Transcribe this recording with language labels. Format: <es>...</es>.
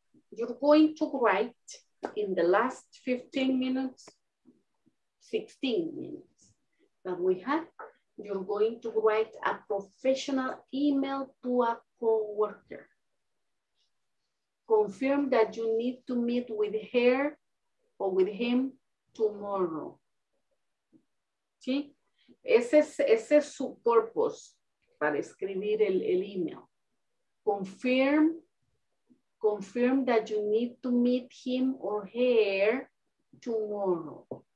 <en>You're going to write in the last 15 minutes, 16 minutes that we had. You're going to write a professional email to a coworker. Confirm that you need to meet with her or with him tomorrow.</en> <es>¿Sí? Ese es su purpose para escribir el email.</es> <en>Confirm that you need to meet him or her tomorrow.</en>